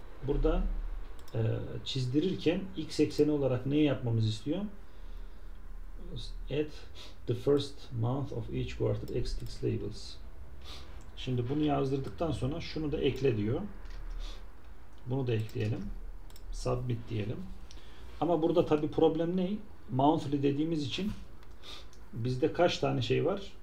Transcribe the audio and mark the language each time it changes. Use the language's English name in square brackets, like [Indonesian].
[Turkish] Burada çizdirirken x ekseni olarak ne yapmamız istiyor? [English] At the first month of each quarter x tick labels. [Turkish] Şimdi bunu yazdırdıktan sonra şunu da ekle diyor. Bunu da ekleyelim. Submit diyelim. Ama burada tabii problem ne? Monthly dediğimiz için bizde kaç tane şey var?